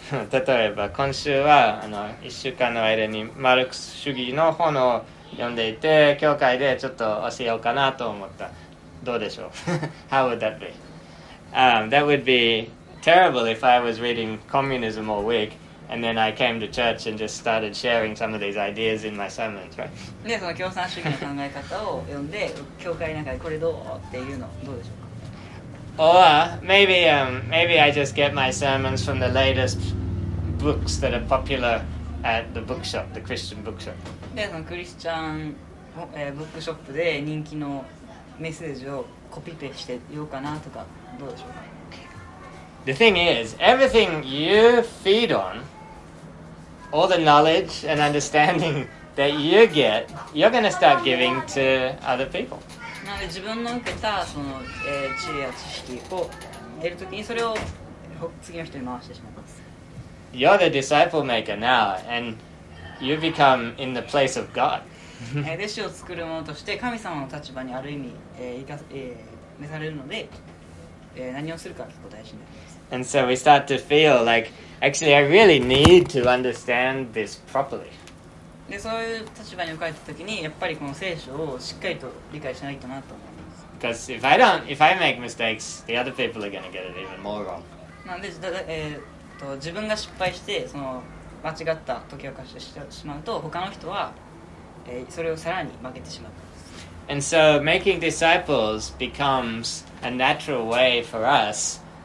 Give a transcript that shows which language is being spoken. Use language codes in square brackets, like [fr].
[ja] 例えば今週は一週間の間にマルクス主義の本を読んでいて、教会でちょっと教えようかなと思った。どうでしょう [en] ？How would that be?、that would be terrible if I was reading communism all week. And then I came to church and just started sharing some of these ideas in my sermons, right? [ja] その共産主義の考え方を読んで、教会なんかでこれどうっていうのどうでしょうか [en] ？Or maybe I just get my sermons from the latest books that are popular at the bookshop, the Christian bookshop. [ja] で、そのクリスチャン、ブックショップで人気のメッセージをコピペして言おうかなとかどうでしょうか？ [en] The thing is, everything you feed on, all the knowledge and understanding that you get, you're going to start giving to other people. [ja] なので自分の受けたその、知恵や知識を得るときにそれを次の人に回してしまいます。 [en] You're the disciple maker now, and you become in the place of God. [ja] 弟子を作る者として神様の立場にある意味、召されるので、何をするか結構大事になります。 [en] And so we start to feel like, actually, I really need to understand this properly. [ja] で、そういう立場に置かれた時に、やっぱりこの聖書をしっかりと理解しないとなと思います。 [en] Because if I make mistakes, the other people are going to get it even more wrong. [ja] なんで、自分が失敗して、その間違った解き明かしてしまうと、他の人は、それをさらに負けてしまう。 [en] And so making disciples becomes a natural way for us.